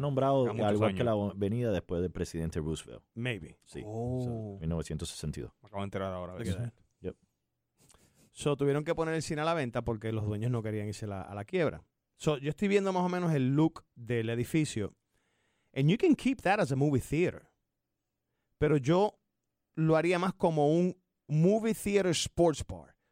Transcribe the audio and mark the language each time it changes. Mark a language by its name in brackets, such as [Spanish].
[Spanish] Nombrado igual que la avenida después del presidente Roosevelt. [English] Maybe. [Spanish] Sí. [English] Oh. So, 1962. [Spanish] Me acabo de enterar ahora. [English] Yep. [Spanish] So tuvieron que poner el cine a la venta porque los dueños no querían irse a la quiebra. So yo estoy viendo más o menos el look del edificio. [English] And you can keep that as a movie theater. [Spanish] Pero yo lo haría más como un movie theater sports bar.